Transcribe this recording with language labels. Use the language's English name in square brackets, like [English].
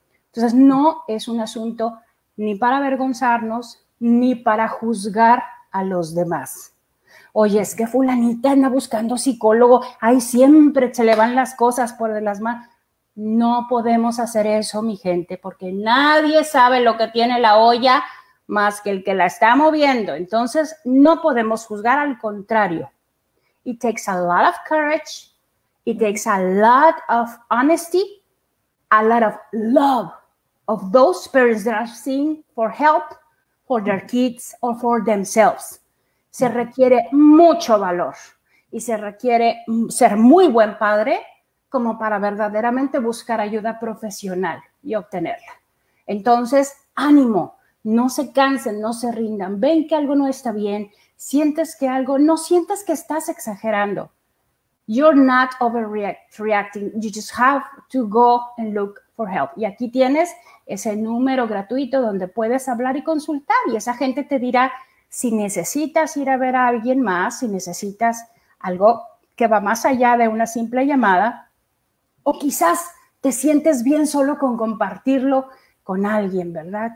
[Spanish] Entonces, no es un asunto ni para avergonzarnos ni para juzgar a los demás. Oye, es que fulanita anda buscando psicólogo, ahí siempre se le van las cosas por de las manos. No podemos hacer eso, mi gente, porque nadie sabe lo que tiene la olla más que el que la está moviendo. Entonces, no podemos juzgar, al contrario. [English] It takes a lot of courage, it takes a lot of honesty, a lot of love of those parents that are seeking for help for their kids or for themselves. [Spanish] Se requiere mucho valor y se requiere ser muy buen padre como para verdaderamente buscar ayuda profesional y obtenerla. Entonces, ánimo, no se cansen, no se rindan. Ven que algo no está bien, sientes que algo, no sientes que estás exagerando. [English] You're not overreacting. You just have to go and look for help. [Spanish] Y aquí tienes ese número gratuito donde puedes hablar y consultar. Y esa gente te dirá si necesitas ir a ver a alguien más, si necesitas algo que va más allá de una simple llamada. O quizás te sientes bien solo con compartirlo con alguien, ¿verdad?